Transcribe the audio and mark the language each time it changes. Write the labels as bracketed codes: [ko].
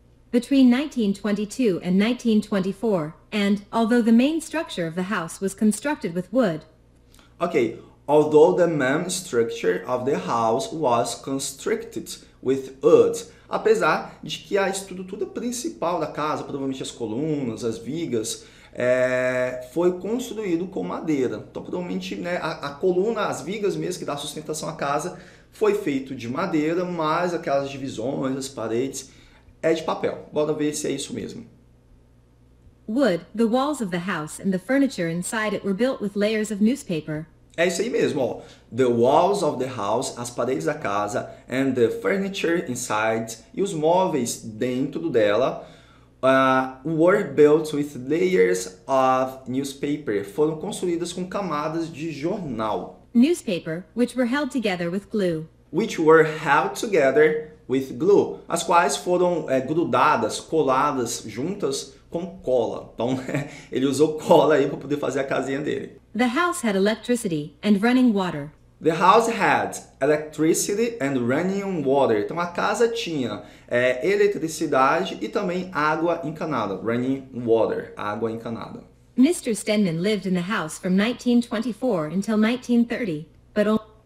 [en] Between 1922 and 1924, and although the main structure of the house was constructed with wood. Ok, although the main structure of the house was constructed with wood. [pt] Apesar de que a estrutura principal da casa, provavelmente as colunas, as vigas, foi construído com madeira. Então, provavelmente, né, a coluna, as vigas mesmo, que dá sustentação à casa, foi feito de madeira, mas aquelas divisões, as paredes, é de papel. Bora ver se é isso mesmo. [en] Wood, the walls of the house and the furniture inside it were built with layers of newspaper. [pt] É isso aí mesmo, ó. [en] The walls of the house, [pt] as paredes da casa, [en] and the furniture inside, [pt] e os móveis dentro dela, [en] were built with layers of newspaper. [pt] Foram construídas com camadas de jornal. [en] Newspaper, which were held together with glue. Which were held together with glue. [pt] As quais foram grudadas, coladas, juntas com cola. Então, ele usou cola aí para poder fazer a casinha dele. [en] The house had electricity and running water. The house had electricity and running water. [pt] Então, a casa tinha eletricidade e também água encanada. [en] Running water, [pt] água encanada. [en] Mr. Stedman lived in the house from 1924 until 1930, but only...